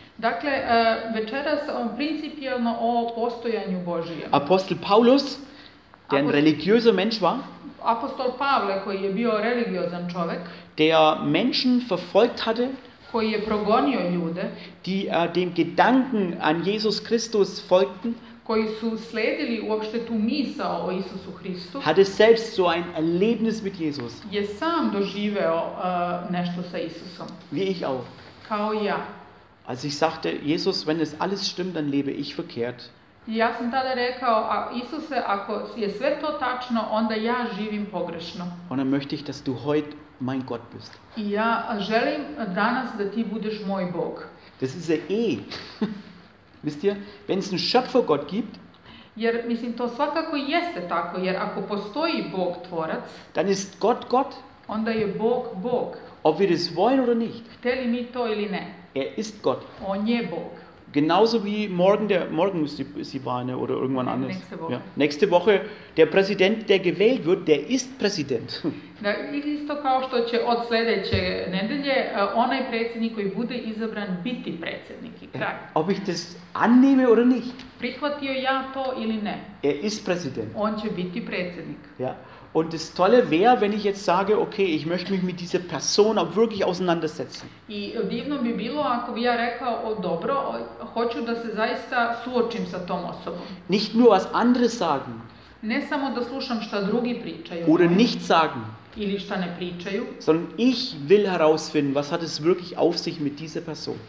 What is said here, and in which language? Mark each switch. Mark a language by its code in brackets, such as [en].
[sr] Dakle, večeras principijalno o postojanju Božijem. [de] Apostel Paulus, der ein religiöser Mensch war. [sr] Apostol Pavle, koji je bio religiozan čovjek. [de] Der Menschen verfolgt hatte. [sr] Koji je progonio ljude. [de] Die dem Gedanken an Jesus Christus folgten. [sr] Koji su slijedili uopšte tu misao o Isusu Hristu. [de] Hatte selbst so ein Erlebnis mit Jesus. [sr] Je sam doživeo nešto sa Isusom. [de] Wie ich auch. [sr] Kao ja. [de] Als ich sagte, Jesus, wenn es alles stimmt, dann lebe ich verkehrt. [sr] Ja sam tada rekao, a Isuse, ako je sve to tačno, onda ja živim pogrešno. [de] Und dann möchte ich, dass du heute mein Gott bist. [sr] Ja, želim danas da ti budeš moj Bog. [de] Das ist ja eh. Wisst ihr, wenn es einen Schöpfergott gibt, [sr] jer, mislim, to svakako jeste tako, jer ako postoji Bog tvorac, [de] dann ist Gott Gott. [sr] Onda je Bog Bog. [de] Ob wir das wollen oder nicht. [sr] Hteli mi to ili ne. [de] Er ist Gott. [sr] On je Bog. [de] Genauso wie morgen ist die Wahl, ne, oder irgendwann anders. Nächste Woche. Ja. Nächste Woche, der Präsident, der gewählt wird, der ist Präsident. [sr] Da, isto kao što će od sledeće nedelje, onaj predsjednik koji bude izabran biti predsjednik. [de] Ja. Ob ich das annehme oder nicht. [sr] Prihvatio ja to ili ne. [de] Er ist Präsident. [sr] On će biti predsjednik. [de] Ja. Und das Tolle wäre, wenn ich jetzt sage, okay, ich möchte mich mit dieser Person auch wirklich auseinandersetzen. [sr] I divno bi bilo ako bi ja rekao, o, dobro, hoću da se zaista suočim sa tom osobom. [de] Nicht nur was andere sagen. [sr] Ne samo da slušam šta drugi pričaju. [de] Oder nicht sagen. [sr] Ili šta ne pričaju. [de] Sondern ich will herausfinden, was hat es wirklich auf sich mit dieser Person.